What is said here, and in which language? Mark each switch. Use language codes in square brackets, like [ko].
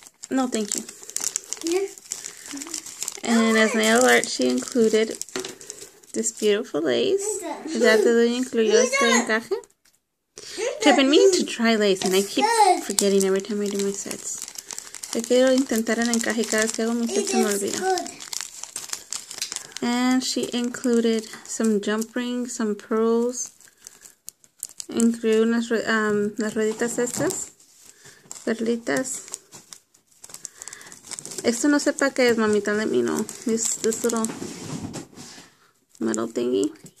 [en] No, thank you. And as nail art, she included this beautiful lace. Is that the one you included in the encaje? I've been meaning to try lace, and I keep forgetting every time I do my sets. [es] I quiero intentar el encaje cada vez que hago mi set, se me olvida. [en] And she included some jump rings, some pearls. [es] Incluyó unas las rueditas estas, perlitas. Esto no sepa qué es, mamita, [en] let me know. This little metal thingy.